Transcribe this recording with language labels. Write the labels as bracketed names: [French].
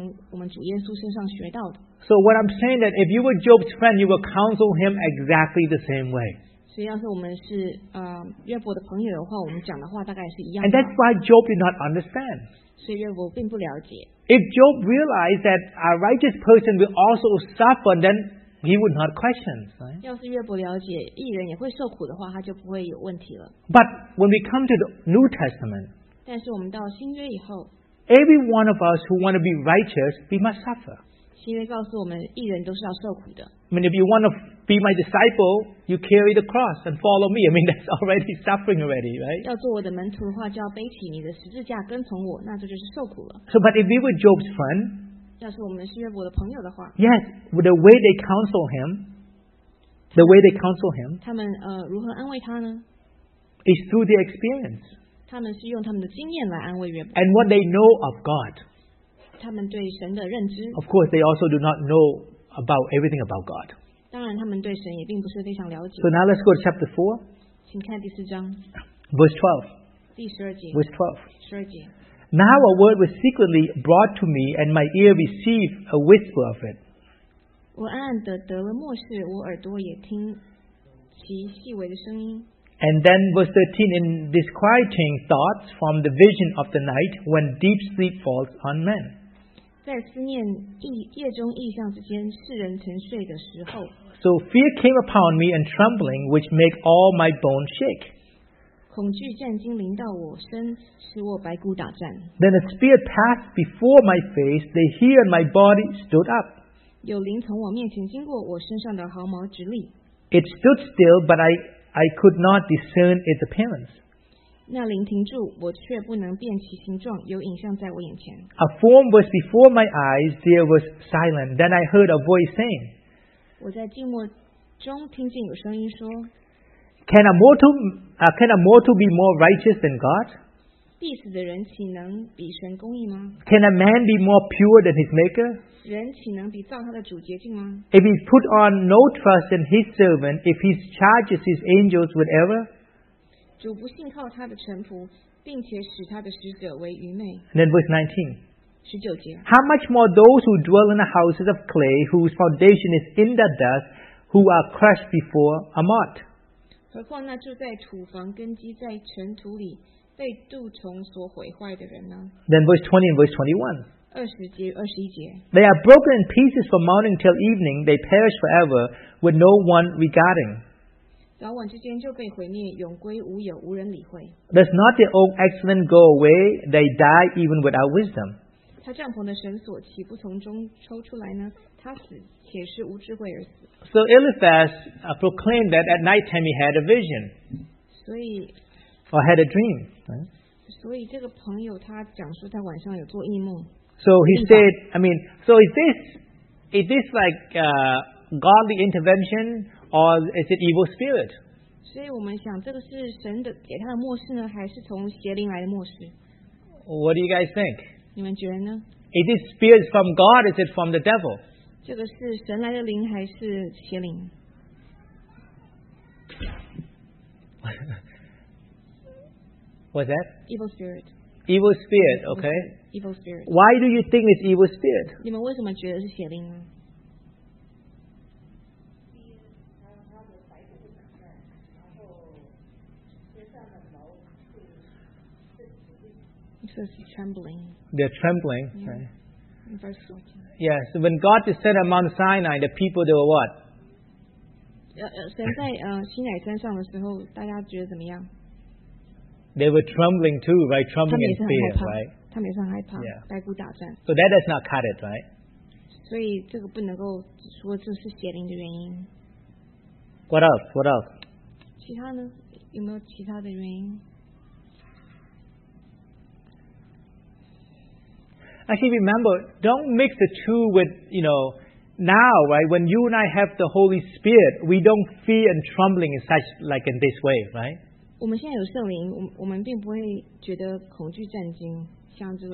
[English] So what I'm saying is that if you were Job's friend, you will counsel him exactly the same way. [Chinese] 所以要是我们是约伯的朋友的话，我们讲的话大概是一样的。 [English] And that's why Job did not understand. [Chinese] 所以约伯并不了解。 [English] If Job realized that a righteous person will also suffer, then he would not question.、Right? [Chinese] 要是约伯了解义人也会受苦的话，他就不会有问题了。 [English] But when we come to the New Testament, [Chinese] 但是我们到新约以后 [English] ，Every one of us who want to be righteous, we must suffer. [Chinese] 新约告诉我们，义人都是要受苦的。 [English] I mean, if you want to be my disciple, you carry the cross and follow me. I mean, that's already suffering already, right? [Chinese] 要做我的门徒的话，就要背起你的十字架跟从我，那这就是受苦了。 [English] So, but if we were Job's friend, [Chinese] 要是我们是约伯的朋友的话 [English] ，Yes, the way they counsel him, the way they counsel him, [Chinese] 他们如何安慰他呢 [English] ？Is through their experience. [Chinese] 他们是用他们的经验来安慰约伯。 [English] And what they know of God, [Chinese] 他们对神的认知。 [English] Of course, they also do not know. About everything about God. [Chinese] 当然，他们对神也并不是非常了解。 [English] So now let's go to chapter 4. [Chinese] 请看第四章。 [English] Verse 12. [Chinese] 第十二节。 [English] Verse 12. [Chinese] 十二节。 [English] Now a word was secretly brought to me, and my ear received a whisper of it. [Chinese] 我暗暗地得了默示，我耳朵也听其细微的声音。 [English] And then verse 13, in disquieting thoughts from the vision of the night, when deep sleep falls on men. [Chinese] 在思念夜中异象之间，世人沉睡的时候。 [English] So fear came upon me and trembling, which make all my bones shake. [Chinese] 恐惧战惊临到我身，使我白骨打颤。 [English] Then a spear passed before my face; the hair on my body stood up. [Chinese] 有灵从我面前经过，我身上的毫毛直立。 [English] It stood still, but I could not discern its appearance. [Chinese] 那灵停住，我却不能辨其形状，有影像在我眼前。 [English] A form was before my eyes, there was silent. Then I heard a voice saying, [Chinese] 我在静默中听见有声音说， [English] Can a mortal be more righteous than God? [Chinese] 必死的人岂能比神公义吗？ [English] Can a man be more pure than his maker? [Chinese] 人岂能比造他的主洁净吗？ [English] If he put on no trust in his servant, if he charges his angels with error, [Chinese] 主不信靠他的臣仆，并且使他的使者为愚昧。 [English] Then verse 19. [Chinese] 十九节。 [English] How much more those who dwell in the houses of clay, whose foundation is in the dust, who are crushed before a mot? [Chinese] 何况那住在土房、根基在尘土里、被蠹虫所毁坏的人呢？ [English] Then verse 20 and verse 21. [Chinese] 二十节、二十一节。 [English] They are broken in pieces from morning till evening; they perish forever, with no one regarding. [Chinese] 早晚之间就被毁灭，永归无有，无人理会。 [English] Does not their own excellence go away? They die even without wisdom. [Chinese] 他帐篷的绳索岂不从中抽出来呢？他死，且是无智慧而死。 [English] So Eliphaz proclaimed that at night time he had a vision. [Chinese] 所以 [English] or had a dream. [Chinese] 所以这个朋友他讲说他晚上有做异梦。 [English] So he said, I mean, so is this like godly intervention or is it evil spirit? [Chinese] 所以我们想这个是神的给他的默示呢，还是从邪灵来的默示？ [English] What do you guys think? [Chinese] 你们觉得呢? [English] Is this spirit from God? Is it from the devil? [Chinese] 这个是神来的灵还是邪灵? [English] What's that? Evil spirit. Evil spirit, okay. Evil spirit. Why do you think it's evil spirit? [Chinese] 你们为什么觉得是邪灵呢? [English] It says trembling. They're trembling. Yeah. Right? Yes, so when God descended on Mount Sinai, the people, they were what? [Chinese] 神在西乃山上的时候，大家觉得怎么样？ [English] They were trembling too, right? Trembling in fear, right? [Chinese] 他们也是很害怕，在鼓打战。 [English] So that does not cut it, right? [Chinese] 所以这个不能够说这是邪灵的原因。 [English] What else? What else? [Chinese] 其他呢？有没有其他的原因？ [English] Actually, remember, don't mix the two with, you know, now, right? When you and I have the Holy Spirit, we don't fear and trembling in such, like in this way, right? [Chinese] 我们现在有圣灵，我们并不会觉得恐惧战惊，像这个。